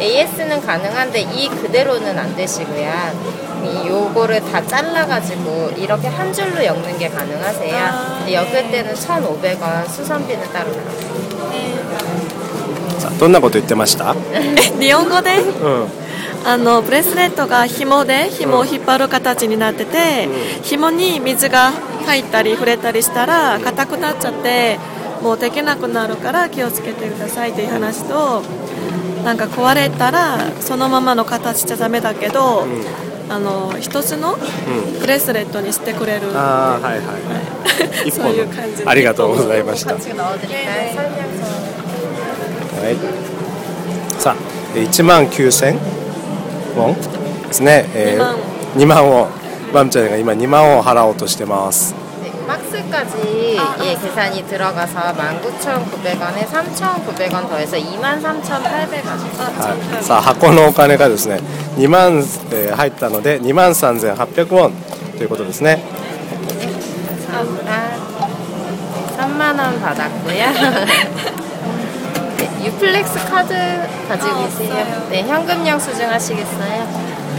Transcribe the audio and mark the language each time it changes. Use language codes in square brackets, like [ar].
[ko] AS는 가능한데 E 그대로는 안 되시고요。 이요거를 다 잘라가지고 이렇게 한 줄로 엮는 게 가능하세요。 엮을 때는 1,500 원 수선비는 따로 나가요。 [ja] 자、 どんなこと言ってました？日本語で？あの、ブレスレットが紐で紐を引っ張る形になってて、紐に水が入ったり触れたりしたら硬くなっちゃってもうできなくなるから気をつけてくださいという話と、なんか壊れたらそのままの形じゃダメだけど、あの一つのブレスレットにしてくれる、あ、はいはい、そういう感じで。ありがとうございました。はい、さあ19,000ウォンですね。 2万ウォン、バムちゃんが今2万ウォン払おうとしてます。 [ko] 박스까지예계산이들어가서 19,900 원에 3,900 원더해서 23,800 원 [ja] 자箱のお金がですね2万入ったので23,800 원ということですね。 [ko] 3만원받았고요。 유플렉스카드가지고있으세요？ 네、 현금영수증하시겠어요？